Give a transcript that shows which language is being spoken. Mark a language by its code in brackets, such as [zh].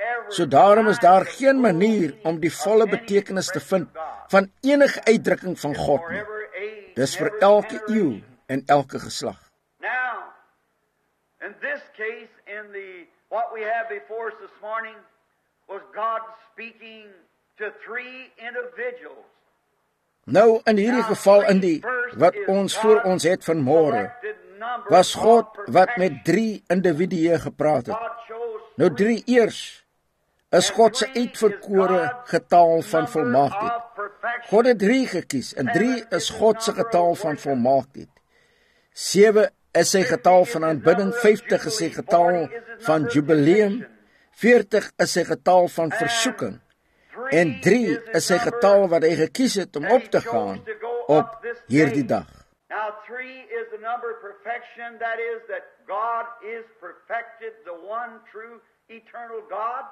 [af] So daarom is daar geen manier om die volle betekenis te vind van enige uitdrukking van God nie. Dis vir elke eeuw en elke geslag. [en] Now, in this case, in the, what we have before us this morning, was God speaking to 3 individuals. [af] Nou, in hierdie geval, in die wat ons voor ons het vanmorgen, was God wat met 3 individue gepraat het. Nou, 3 eers, is God se uitverkore getal van volmaaktheid. God het 3 gekies, en 3 is God se getal van volmaaktheid. 7 is sy getal van aanbidding, 50 is sy getal van jubileum, 40 is sy getal van versoeking, en 3 is sy getal wat hy gekies het om op te gaan op hierdie dag. [en] Now 3 is the number of perfection, that is that God is perfected, the one true God.